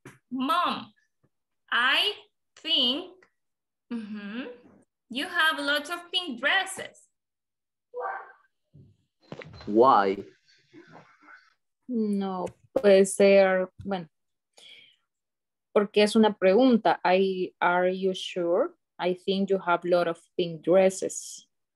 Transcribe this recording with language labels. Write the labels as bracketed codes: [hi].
[en] Mom, I think you have lots of pink dresses. Why? [es] No, puede ser, bueno, porque es una pregunta. [en] I, are you sure? I think you have a lot of pink dresses.